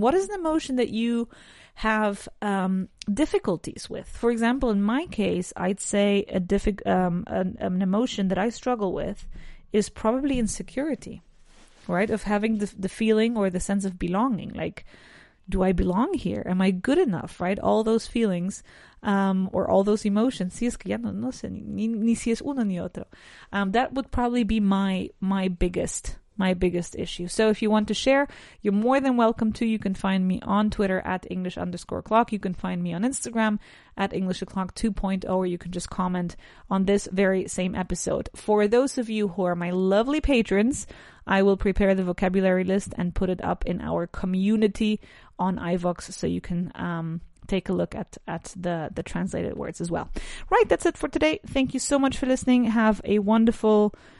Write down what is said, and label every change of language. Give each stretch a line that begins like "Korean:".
English: What is an emotion that you have difficulties with? For example, in my case, I'd say an emotion that I struggle with is probably insecurity, right? Of having the feeling or the sense of belonging, like, do I belong here? Am I good enough? Right? All those feelings, or all those emotions.
Spanish: Si es que ya no sé ni si es uno ni otro.
English: That would probably be my biggest issue. So if you want to share, you're more than welcome to. You can find me on Twitter at English_clock. You can find me on Instagram at English O'Clock 2.0, or you can just comment on this very same episode. For those of you who are my lovely patrons, I will prepare the vocabulary list and put it up in our community on iVox, so you can take a look at the translated words as well. Right, that's it for today. Thank you so much for listening. Have a wonderful